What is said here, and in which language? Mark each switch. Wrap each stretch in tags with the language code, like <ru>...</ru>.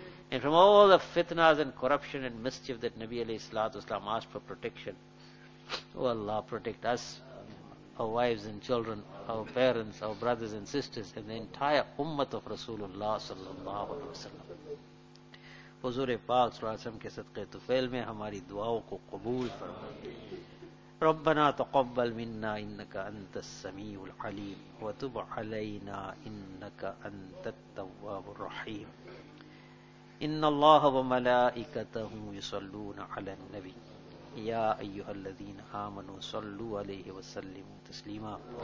<en>And from all the fitnas and corruption and mischief that Nabi alayhi salatu wasalam asked for protection, oh Allah, protect us, our wives and children, our parents, our brothers and sisters, and the entire ummah of Rasulullah sallallahu alayhi wasallam.</en> <ur>حضور پاک صلی اللہ علیہ وسلم کے صدقے طفیل میں ہماری دعاؤں کو قبول فرمائے.</ur> <ar>ربنا تقبل منا انك انت السميع العليم وتب علينا انك انت التواب الرحيم ان الله وملائكته يصلون على النبي يا أيها الذين آمنوا صلوا عليه وسلموا تسليما.</ar>